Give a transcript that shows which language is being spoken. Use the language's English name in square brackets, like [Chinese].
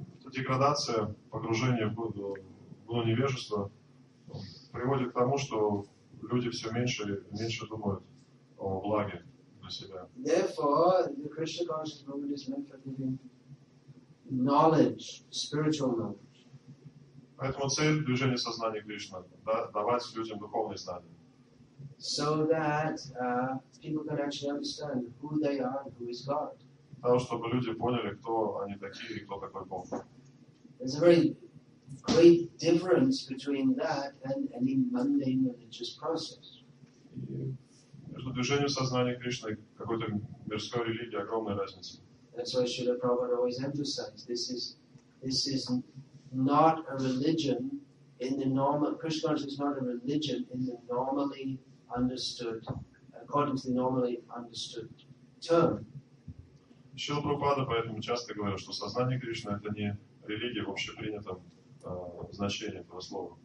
[Russian] Деградация, погружение в глубокое невежество приводит к тому, что люди все меньше и меньше думают о благе. Себя. [English] Therefore, the Krishna conscious movement is meant for giving knowledge, spiritual knowledge. [Russian] Поэтому цель движения сознания Кришна – давать людям духовные знания. [English] So that people can actually understand who they are, who is God. [Russian] Того, чтобы люди поняли, кто они такие и кто такой Бог. [English] There's a very great difference between that and any mundane religious process. [Russian] Между движением сознания Кришны и какой-то мирской религией огромная разница. [English] That's why Srila Prabhupada always emphasized this is not a religion in the normal Krishna is not a religion in the normally understood according to the normally understood term. [Russian] Srila Prabhupada поэтому часто говорил, что сознание Кришны это не религия в общепринятом значение этого слова.